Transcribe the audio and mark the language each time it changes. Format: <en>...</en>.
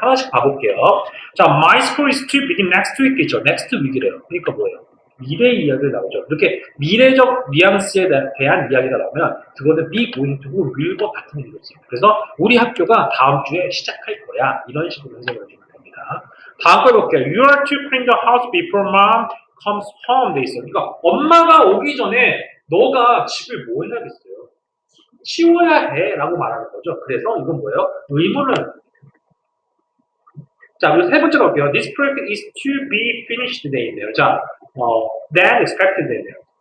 <ko>하나씩 봐볼게요. 자,</ko> <en>My school is to begin next week</en> <ko>있죠.</ko> <en>Next week이래요.</en> <ko>그러니까 뭐예요? 미래 이야기가 나오죠. 이렇게 미래적 뉘앙스에 대한 이야기가 나오면 그거는 be going to, will 과 같은 의미였어요. 그래서 우리 학교가 다음 주에 시작할 거야. 이런 식으로 해석을 해주면 됩니다. 다음 거 볼게요.</ko> <en>You are to clean the house before mom comes home.</en> <ko>돼 있어요. 그러니까 엄마가 오기 전에 너가 집을 뭐 해야겠어요? 치워야 해. 라고 말하는 거죠. 그래서 이건 뭐예요? 의무를. 자, 그리고 세 번째 볼게요.</ko> <en>This project is to be finished.</en> <ko>돼 있네요. 자,</ko> <en>than expected.</en> <ko>돼 있네요.</ko>